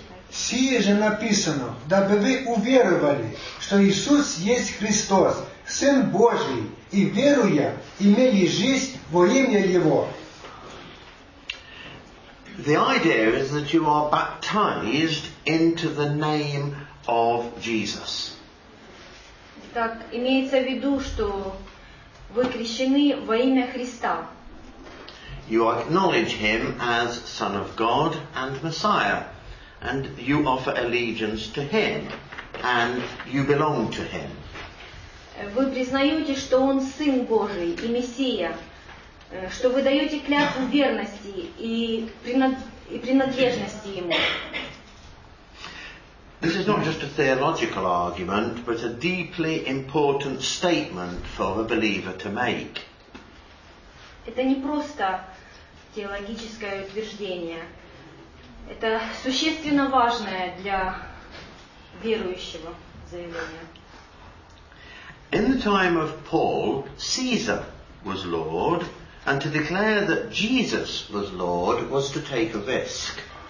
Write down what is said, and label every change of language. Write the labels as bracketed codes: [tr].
[ru] Сие же написано, дабы вы уверовали, что Иисус есть Христос, Сын Божий, и веруя, имели жизнь во имя Его. [en] The idea is that you are baptized into the name of Jesus. [ru] Так, имеется в виду, что вы крещены во имя Христа. [en] You acknowledge Him as Son of God and Messiah. And you offer allegiance to Him, and you belong to Him. [ru] Вы признаете, что Он Сын Божий и Мессия, что вы даете клятву верности и принадлежности Ему. [en] This is not just a theological argument, but a deeply important statement for a believer to make. [ru] Это не просто теологическое утверждение. Это существенно важное для верующего заявление. [en] In the time of Paul, Caesar was Lord, and to declare that Jesus was Lord was to take a risk.